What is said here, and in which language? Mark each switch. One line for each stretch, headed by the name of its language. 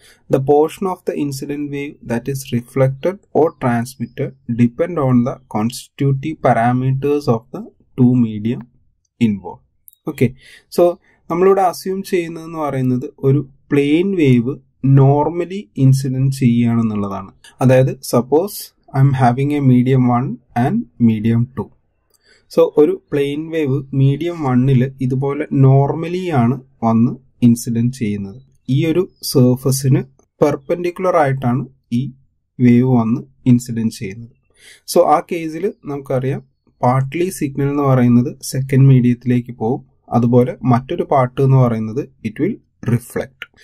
English: The portion of the incident wave that is reflected or transmitted depend on the constitutive parameters of the two medium involve.
Malayalam: Okay, so നമ്മളിവിടെ assume ചെയ്യുന്നതെന്ന് പറയുന്നത് ഒരു plane wave normally incident ചെയ്യുകയാണെന്നുള്ളതാണ്. അതായത്
English: Suppose I am having a medium 1 and medium 2.
Malayalam: So, ഒരു plane wave medium വണ്ണിൽ ഇതുപോലെ normally ആണ് വന്ന് ഇൻസിഡൻറ്റ് ചെയ്യുന്നത്. ഈ ഒരു സർഫസിന് പെർപെൻഡിക്കുലർ ആയിട്ടാണ് ഈ വേവ് വന്ന് ഇൻസിഡൻറ്റ് ചെയ്യുന്നത്. സോ ആ കേസിൽ നമുക്കറിയാം, പാർട്ട്ലി സിഗ്നൽ എന്ന് പറയുന്നത് സെക്കൻഡ് മീഡിയത്തിലേക്ക് പോകും, അതുപോലെ മറ്റൊരു പാർട്ട് എന്ന് പറയുന്നത്
English: It will reflect.